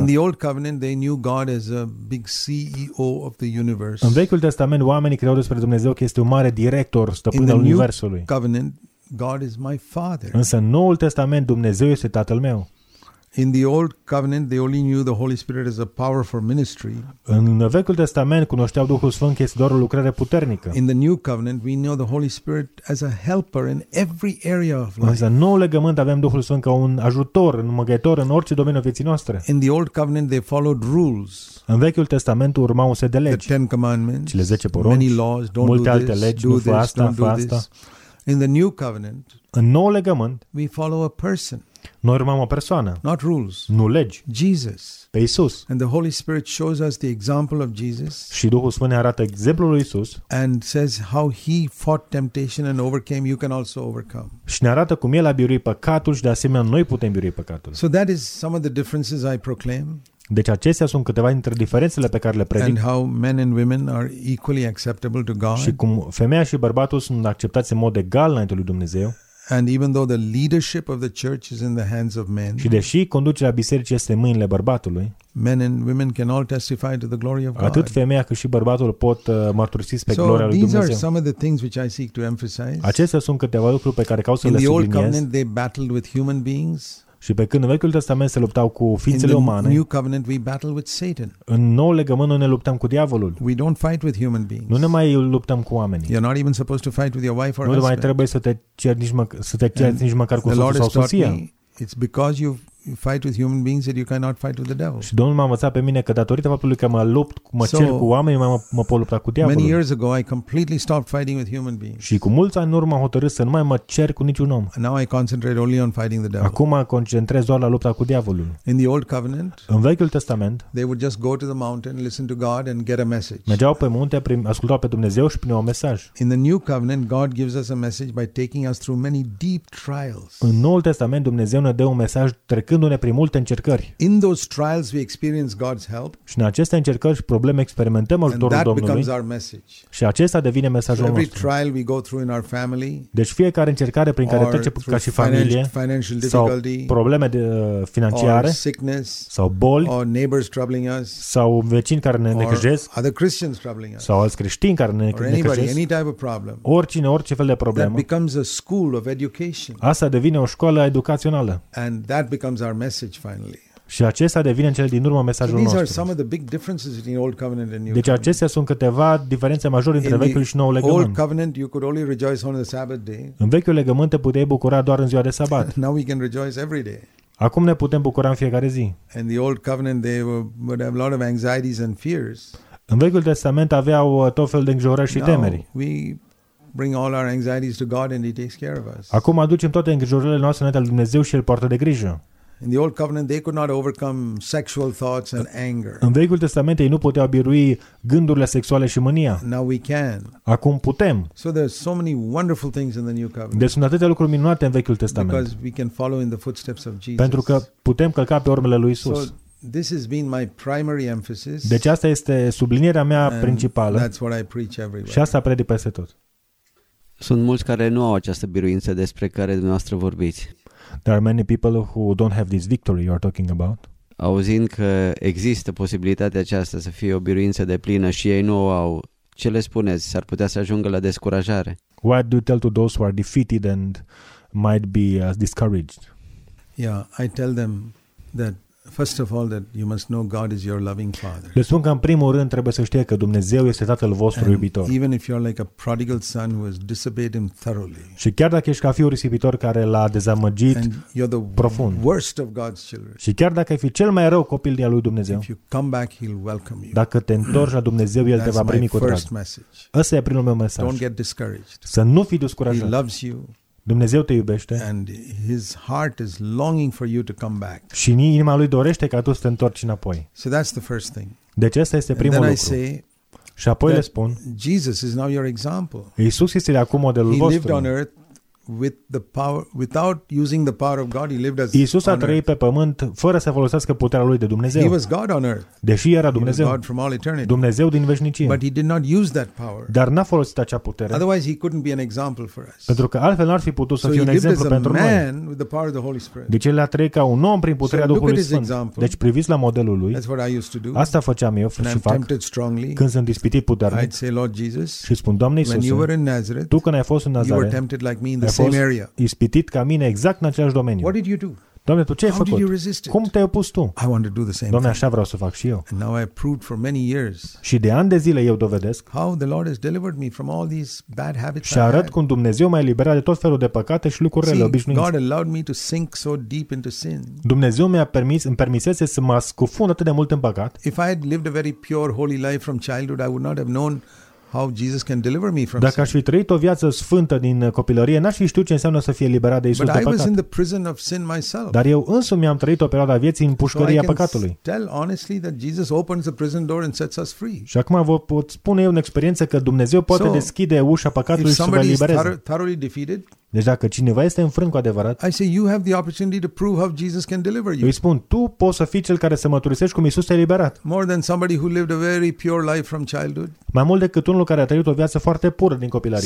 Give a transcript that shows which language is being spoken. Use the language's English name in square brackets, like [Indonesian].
[English] In the Old Covenant, they knew God as a big CEO of the universe. [Romanian] În Vechiul Testament, oamenii credeau despre Dumnezeu că este un mare director, stăpân al universului. [English] In the New Covenant, God is my father. [Romanian] Însă în Noul Testament Dumnezeu este tatăl meu. [English] In the Old Covenant they only knew the Holy Spirit as a power for ministry. [Romanian] În Vechiul Testament cunoșteau Duhul Sfânt că este doar o lucrare puternică. [English] In the New Covenant we know the Holy Spirit as a helper in every area of life. [Romanian] Însă în Noul Legământ avem Duhul Sfânt ca un ajutor, un măgăitor în orice domeniu vieții noastre. [English] In the Old Covenant they followed rules. [Romanian] În Vechiul Testament urmau un set de legi. [English] The Ten Commandments. [Romanian] Cele 10 porunci. [English] Many laws, don't [Romanian] multe [English] do [Romanian] alte [English] this, [Romanian] legi, [English] do [Romanian] nu fă asta, fă asta. [English] In the New Covenant, [Romanian] în nou legământ, [English] we follow a person. [Romanian] Noi urmăm o persoană. [English] Not rules. [Romanian] Nu legi. [English] Jesus. [Romanian] Pe Isus. [English] And the Holy Spirit shows us the example of Jesus. [Romanian] Și Duhul Sfânt ne arată exemplul lui Isus. [English] And says how he fought temptation and overcame, you can also overcome. [Romanian] Și ne arată cum el a biruit păcatul și de asemenea noi putem birui păcatul. [English] So that is some of the differences I proclaim. [Romanian] Deci acestea sunt câteva dintre diferențele pe care le predic. [English] And how men and women are equally acceptable to God. [Romanian] Și cum femeia și bărbatul sunt acceptați în mod egal înaintea lui Dumnezeu. [English] And even though the leadership of the church is in the hands of men. [Romanian] Și deși conducerea bisericii este în mâinile bărbatului. [English] Men and women can all testify to the glory of God. [Romanian] Atât femeia cât și bărbatul pot mărturisi spre gloria lui Dumnezeu. [English] So these are some of the things which I seek to emphasize. [Romanian] Acestea sunt câteva lucruri pe care caut să le subliniez. [English] In the Old Covenant they battled with human beings. [Romanian] Și pe când în Vechiul Testament se luptau cu ființele umane. [English] New Covenant we battle with Satan. [Romanian] În Noul Legământ noi ne luptăm cu diavolul. [English] We don't fight with human beings. [Romanian] Nu ne mai luptăm cu oamenii. [English] You're not even supposed to fight with your wife or husband. [Romanian] Nu mai trebuie să te ceri nici măcar cu soțul sau soția. [English] It's because you fight with human beings that you cannot fight with the devil. [Romanian] Și Domnul m-a învățat pe mine că datorită faptului că mă cer cu oamenii, mă pot lupta cu diavolul. [English] Many years ago I completely stopped fighting with human beings. [Romanian] Și cu mulți ani în urmă am hotărât să nu mai mă cer cu niciun om. [English] And now I concentrate only on fighting the devil. [Romanian] Acum mă concentrez doar la lupta cu diavolul. [English] In the Old Covenant, [Romanian] în Vechiul Testament, [English] they would just go to the mountain, listen to God and get a message. [Romanian] Mergeau pe munte, ascultau pe Dumnezeu și primeau un mesaj. [English] In the New Covenant, God gives us a message by taking us through many deep trials. [Romanian] În Noul Testament, Dumnezeu ne dă un mesaj trecându-ne prin multe încercări. [English] In those trials we experience God's help. [Romanian] Și în aceste încercări și probleme experimentăm ajutorul Domnului. Și acesta devine mesajul nostru. [English] Every trial we go through in our family. [Romanian] Deci fiecare încercare prin care trecem ca și familie, [English] financial [Romanian] sau probleme de financiare, [English] or sickness, [Romanian] sau boli, [English] or neighbors troubling us, [Romanian] sau vecini care ne necăjesc, [English] other Christians troubling us, [Romanian] sau alți creștini care ne necăjesc, [English] any type of problem. [Romanian] Orice fel de problemă. [English] That becomes a school of education. [Romanian] Asta devine o școală educațională. [English] And that becomes our message finally. [Romanian] Și acesta devine în cele din urmă mesajul nostru. [English] These are some of the big differences between Old Covenant and New. [Romanian] Deci acestea sunt câteva diferențe majore între Vechiul și Noul Legământ. [English] Old Covenant you could only rejoice on the Sabbath day. [Romanian] În Vechiul Legământ te puteai bucura doar în ziua de sabat. [English] Now we can rejoice every day. [Romanian] Acum ne putem bucura în fiecare zi. [English] In the Old Covenant they would have a lot of anxieties and fears. [Romanian] În Vechiul Testament aveau tot fel de îngrijorări și temeri. [English] We bring all our anxieties to God and he takes care of us. [Romanian] Acum aducem toate îngrijorările noastre înaintea lui Dumnezeu și el poartă de grijă. [English] In the Old Covenant they could not overcome sexual thoughts and anger. [Romanian] În Vechiul Testament ei nu puteau birui gândurile sexuale și mânia. [English] Now we can. [Romanian] Acum putem. [English] So there are so many wonderful things in the New Covenant. [Romanian] Deci sunt atâtea lucruri minunate în Vechiul Testament. [English] Because we can follow in the footsteps of Jesus. [Romanian] Pentru că putem călca pe urmele lui Isus. [English] So This has been my primary emphasis. [Romanian] Deci asta este sublinierea mea principală. [English] That's what I preach everywhere. [Romanian] Și asta predic peste tot. Sunt mulți care nu au această biruință despre care dumneavoastră vorbiți. [English] There are many people who don't have this victory you are talking about. [Romanian] Auzind că există posibilitatea aceasta să fie o biruință deplină și ei nu o au, ce le spuneți? S-ar putea să ajungă la descurajare. [English] What do you tell to those who are defeated and might be discouraged? Yeah, I tell them that first of all that you must know God is your loving father. [Romanian] Le spun că în primul rând trebuie să știe că Dumnezeu este tatăl vostru [English] and [Romanian] iubitor. [English] Even if you're like a prodigal son who has disobeyed him thoroughly. [Romanian] Și chiar dacă ești ca fiul risipitor care l-a dezamăgit [English] and you're the [Romanian] profund. [English] Worst of God's children. [Romanian] Și chiar dacă ai fi cel mai rău copil de al lui Dumnezeu. [English] If you come back he'll welcome you. [Romanian] Dacă te întorci la Dumnezeu el te va primi cu drag. [English] That's my first message. [Romanian] Ăsta e primul meu mesaj. [English] Don't get discouraged. [Romanian] Să nu fii descurajat. [English] He loves you. [Romanian] Dumnezeu te iubește. [English] And his heart is longing for you to come back. [Romanian] Și inima lui dorește ca tu să te întorci înapoi. [English] So that's the first thing. [Romanian] Deci asta este primul lucru. Și apoi le spun. [English] Jesus is now your example. [Romanian] Iisus este acum modelul vostru. [English] He lived on earth with the power without using the power of God, he lived as [Romanian] Iisus a trăit pe pământ fără să folosească puterea lui de Dumnezeu. [English] He was God on earth. [Romanian] Deși era Dumnezeu. [English] He was God from all eternity. [Romanian] Dumnezeu din veșnicie. [English] But he did not use that power. [Romanian] Dar n-a folosit acea putere. [English] Otherwise he couldn't be an example for us. [Romanian] Pentru că altfel n-ar fi putut să [English] so [Romanian] fie un exemplu pentru noi. [English] So he lived as a man with the power of the Holy Spirit. [Romanian] Deci el a trăit ca un om prin puterea [English] so [Romanian] Duhului Sfânt. Deci priviți la modelul lui. [English] That's what I used to do. [Romanian] Asta făceam eu [English] and [Romanian] și fac. [English] Tempted strongly. [Romanian] Când sunt ispitit puternic. [English] I'd say, Lord Jesus, [Romanian] și spun, Doamne Iisuse, [English] when you were in Nazareth, [Romanian] tu când ai fost în Nazaret, [English] you were tempted like me in the same area. [Romanian] Ispitit ca mine exact în același domeniu. [English] What did you do? [Romanian] Doamne, tu ce ai făcut? Cum te-ai opus tu? [English] I want to do the same. [Romanian] Doamne, așa vreau să fac și eu. [English] And now I proved for many years. [Romanian] Și de ani de zile eu dovedesc. [English] How the Lord has delivered me from all these bad habits. [Romanian] Și arăt cum Dumnezeu m-a eliberat de tot felul de păcate și lucruri rele obișnuite. [English] God allowed me to sink so deep into sin. [Romanian] Dumnezeu mi-a permis, îmi permisese să mă scufund atât de mult în păcat. [English] If I had lived a very pure holy life from childhood, I would not have known how Jesus can deliver me from sin. [Romanian] Dacă aș fi trăit o viață sfântă din copilărie, n-aș fi știut ce înseamnă să fie eliberat de Iisus de păcat. [English] But I was in the prison of sin myself. [Romanian] Dar eu însumi am trăit o perioadă a vieții în pușcăria păcatului. [English] Tell honestly that Jesus opens the prison door and sets us free. [Romanian] Și acum vă pot spune eu în experiență că Dumnezeu poate deschide ușa păcatului și să vă elibereze. [English] Thoroughly defeated. [Romanian] Deci dacă cineva este înfrânt cu adevărat, [English] I say you have the opportunity to prove how Jesus can deliver you. [Romanian] Îi spun, tu poți să fii cel care să mărturisești cum Iisus te-a eliberat. [English] More than somebody who lived a very pure life from childhood. [Romanian] Mai mult decât unul care a trăit o viață foarte pură din copilărie.